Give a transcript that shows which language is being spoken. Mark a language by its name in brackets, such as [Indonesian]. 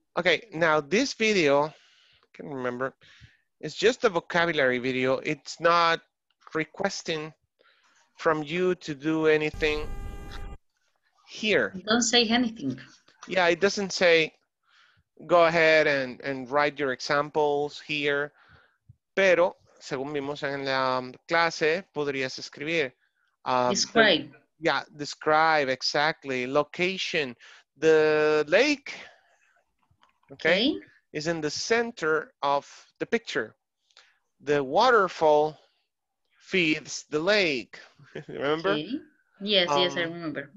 [English] Okay, now this video, I can remember, it's just a vocabulary video. It's not requesting from you to do anything here. Don't say anything. Yeah, it doesn't say, go ahead and write your examples here. [Spanish] Pero, según vimos en la clase, podrías escribir. [English] Describe. Yeah, describe, exactly. Location. The lake, okay, is in the center of the picture. The waterfall feeds the lake. Remember? Okay. Yes, yes, I remember.